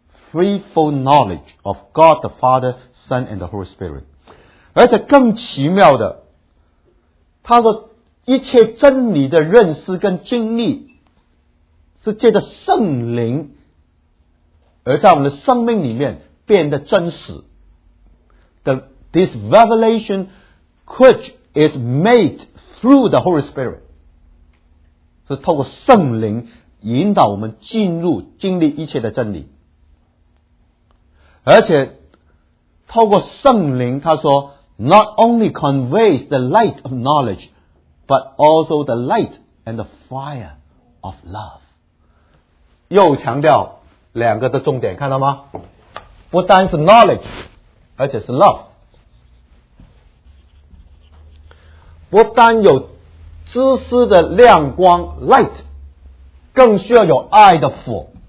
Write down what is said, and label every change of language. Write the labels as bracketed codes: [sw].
[en] Threefold knowledge of God the Father, Son and the Holy Spirit。 [zh] 而且更奇妙的，他说一切真理的认识跟经历是借着圣灵而在我们的生命里面变得真实。 [en] This revelation which is made through the Holy Spirit [zh] 是透过圣灵引导我们进入经历一切的真理，而且透过圣灵，他说 [en] Not only conveys the light of knowledge but also the light and the fire of love。 [zh] 又强调两个的重点，看到吗？不单是 knowledge 而且是 love， 不单有知识的亮光 light， 更需要有爱的火。